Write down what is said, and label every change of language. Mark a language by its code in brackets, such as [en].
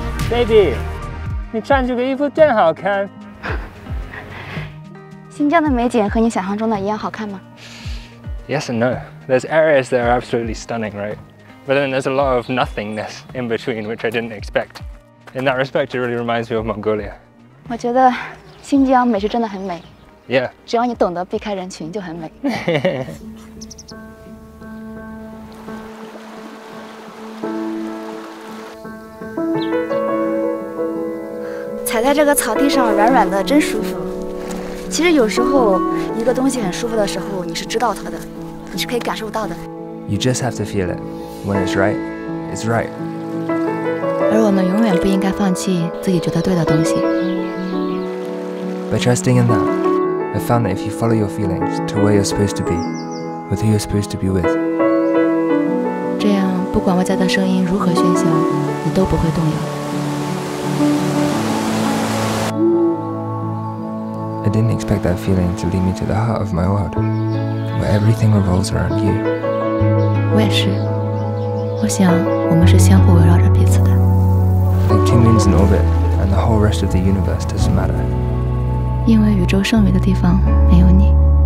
[zh] Baby， 你穿这个衣服真好看。新疆的美景和你想象中的一样好看吗？ [en] Yes and no. There's areas that are absolutely stunning, right? But then there's a lot of nothingness in between, which I didn't expect. In that respect, it really reminds me of Mongolia. [zh] 我觉得新疆美食真的很美。 [en] Yeah. [zh] 只要你懂得避开人群，就很美。踩在这个草地上，软软的，真舒服。其实有时候，一个东西很舒服的时候，你是知道它的。你是可以感受到的。 [en] You just have to feel it. When it's right, it's right. [zh] 而我们永远不应该放弃自己觉得对的东西。 [en] By trusting in that, I found that if you follow your feelings to where you're supposed to be, with who you're supposed to be with, [zh] 这样不管外在的声音如何喧嚣，你都不会动摇。 [en] I didn't expect that feeling to lead me to the heart of my world. Where everything revolves around you. [zh] 我也是。我想我们是相互围绕着彼此的。 [en] Like two moons in orbit, and the whole rest of the universe doesn't matter. [zh] 因为宇宙剩余的地方没有你。